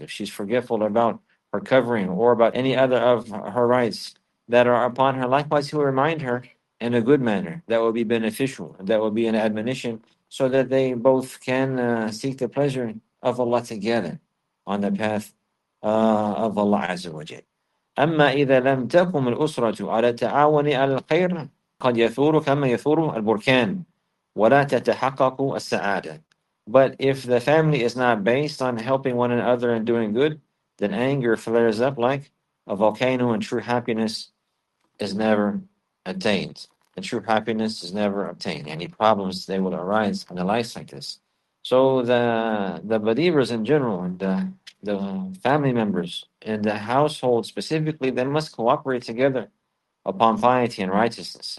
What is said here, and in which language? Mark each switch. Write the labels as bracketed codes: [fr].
[en] If she's forgetful about her covering or about any other of her rights that are upon her, likewise, he will remind her in a good manner that will be beneficial, that will be an admonition, so that they both can seek the pleasure of Allah together on the path of Allah Azza wa Jal. [ar] أما إذا لم تقم الأسرة على تعاون الخير قد يثور كما يثور البركان ولا تتحقق السعادة. [en] But if the family is not based on helping one another and doing good, then anger flares up like a volcano and true happiness is never attained. And true happiness is never obtained. Any problems, they will arise in a life like this. So the believers in general and the family members and the household specifically, they must cooperate together upon piety and righteousness.